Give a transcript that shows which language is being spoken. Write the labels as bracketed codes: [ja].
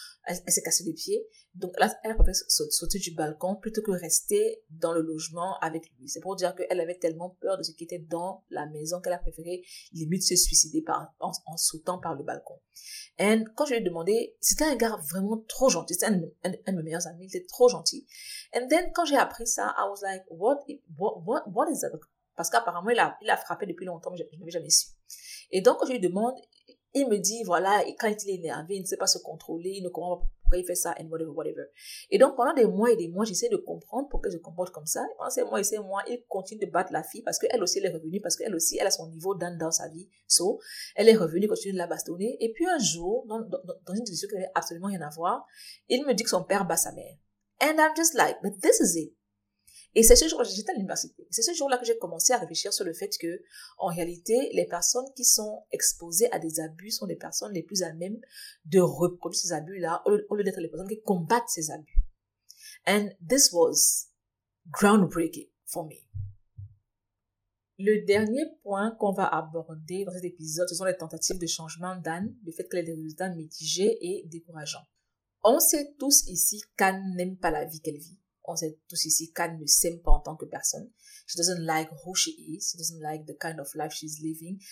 [fr] Elle s'est cassée les pieds. Donc, elle a préféré sauter du balcon plutôt que rester dans le logement avec lui. C'est pour dire qu'elle avait tellement peur de ce qui était dans la maison qu'elle a préféré limite se suicider en sautant par le balcon. Et quand je lui ai demandé, c'était un gars vraiment trop gentil. C'était un de mes meilleurs amis. Il était trop gentil. [en] And then, [fr] quand j'ai appris ça, [en] I was like, what is that? [fr] Parce qu'apparemment, il a frappé depuis longtemps, mais je n'avais jamais su. Et donc, quand je lui demande, il me dit, voilà, et quand il est énervé, il ne sait pas se contrôler, il ne comprend pas pourquoi il fait ça, [en] and whatever. [fr] Et donc, pendant des mois, j'essaie de comprendre pourquoi je comporte comme ça. Et pendant ces mois, il continue de battre la fille, parce qu'elle aussi, elle est revenue, parce qu'elle aussi, elle a son niveau d'âne dans sa vie. So, elle est revenue, continue de la bastonner. Et puis, un jour, dans une discussion qui n'avait absolument rien à voir, il me dit que son père bat sa mère. [en] And I'm just like, but this is it. [fr] Et c'est ce jour, j'étais à l'université, c'est ce jour-là que j'ai commencé à réfléchir sur le fait que, en réalité, les personnes qui sont exposées à des abus sont les personnes les plus à même de reproduire ces abus-là, au lieu d'être les personnes qui combattent ces abus. [en] And this was groundbreaking for me. [fr] Le dernier point qu'on va aborder dans cet épisode, ce sont les tentatives de changement d'Anne, le fait qu'elle ait des résultats mitigés et décourageants. On sait tous ici qu'Anne n'aime pas la vie qu'elle vit. On sait tous ici qu'Anne ne s'aime pas en tant que personne. [en] She doesn't like who she is. She doesn't like the kind of life she's living.